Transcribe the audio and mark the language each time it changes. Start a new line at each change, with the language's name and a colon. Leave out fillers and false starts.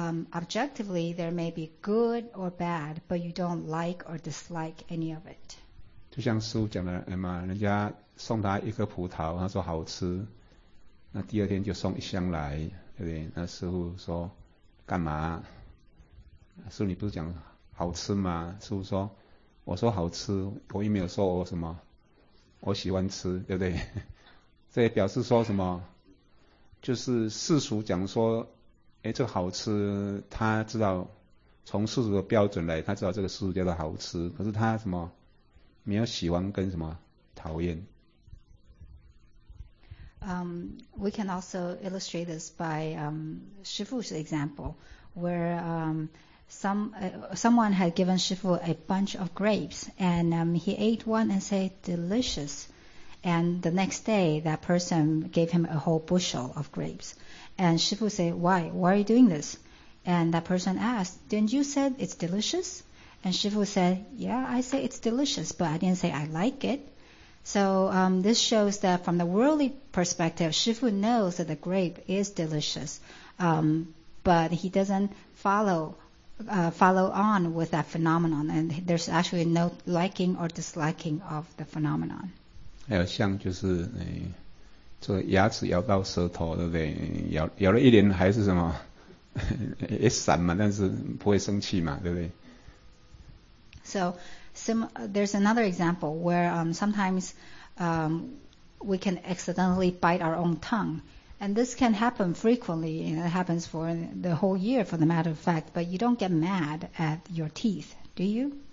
English: Objectively, there may be good or bad, but you don't like or dislike any of it.
Chinese: 就像师父讲的，人家送他一颗葡萄，他说好吃，那第二天就送一箱来，对不对？那师父说，干嘛？师父你不是讲好吃吗？师父说，我说好吃，我也没有说我什么，我喜欢吃，对不对？这也表示说什么，就是世俗讲说，这个好吃，他知道从世俗的标准来，他知道这个世俗叫做好吃，可是他什么没有喜欢跟什么讨厌。
English: We can also illustrate this by 师父's example, where someone had given Shifu a bunch of grapes, and he ate one and said, delicious. And the next day, that person gave him a whole bushel of grapes. And Shifu said, why are you doing this? And that person asked, didn't you say it's delicious? And Shifu said, yeah, I say it's delicious, but I didn't say I like it. So this shows that from the worldly perspective, Shifu knows that the grape is delicious, but he doesn't follow on with that phenomenon, and there's actually no liking or disliking of the phenomenon.
Chinese: 还有像就是，做牙齿咬到舌头，对不对？咬了一年还是什么，也闪嘛，但是不会生气嘛，对不对
English: ？So, there's another example where sometimes we can accidentally bite our own tongue. And this can happen frequently, and it happens for the whole year, for the matter of fact, but you don't get mad at your teeth, do you?